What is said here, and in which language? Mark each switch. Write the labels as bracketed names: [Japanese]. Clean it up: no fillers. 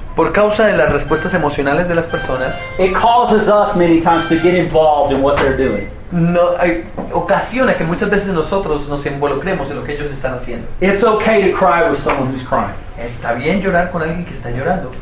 [Spanish] por causa de las respuestas emocionales de las personas, [English] it causes us many times to get involved in what they're doing. [Spanish] No, ocasiona que muchas veces nosotros nos involucremos en lo que ellos están haciendo. [English] It's okay to cry with someone who's crying. [Spanish] Está bien llorar con alguien que está llorando.